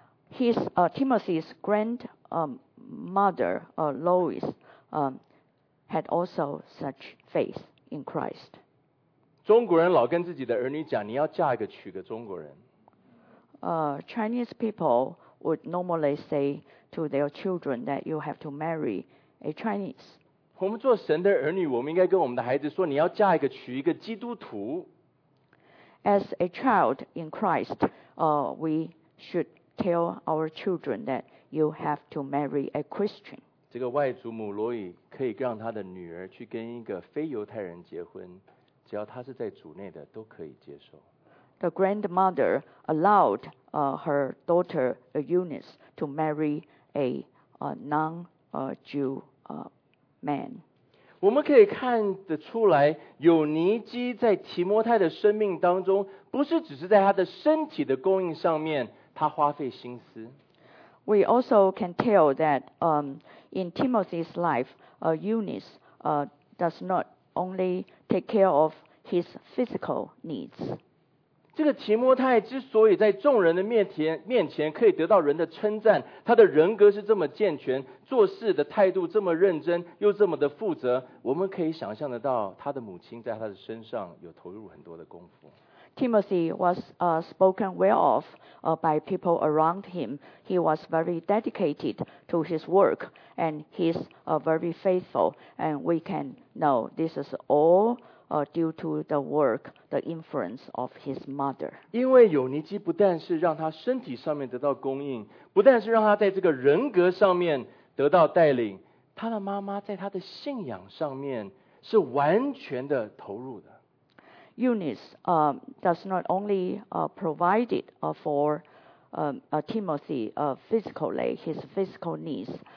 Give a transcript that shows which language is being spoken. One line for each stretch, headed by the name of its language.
English: His Timothy's grandmother, Lois, had also such faith in Christ.
Chinese: 中国人老跟自己的儿女讲，你要嫁一个娶个中国人。
English: Chinese people would normally say to their children that you have to marry a Chinese.
Chinese: 我们做神的儿女，我们应该跟我们的孩子说，你要嫁一个娶一个基督徒。
English: As a child in Christ, we should tell our children that you have to marry a Christian.
Chinese: 这个外祖母罗伊可以让她的女儿去跟一个非犹太人结婚，只要她是在主内的，都可以接受。
English: The grandmother allowed her daughter Eunice to marry a non-Jew man.
Chinese: 我们可以看得出来，有尼基在提摩太的生命当中，不是只是在他的身体的供应上面，他花费心思。
English: We also can tell that in Timothy's life, Eunice does not only take care of his physical needs.
Chinese: 这个提摩太之所以在众人的面前可以得到人的称赞，他的人格是这么健全，做事的态度这么认真，又这么的负责，我们可以想象得到他的母亲在他的身上有投入很多的功夫。
English: Timothy was spoken well of by people around him. He was very dedicated to his work, and he's very faithful. And we can know this is all. Due to the work, the influence of his mother.
Chinese: 因为有尼基不但是让他身体上面得到供应，不但是让他在这个人格上面得到带领，他的妈妈在他的信仰上面是完全的投入的。
English: Eunice does not only provide it for Timothy physically, his physical needs.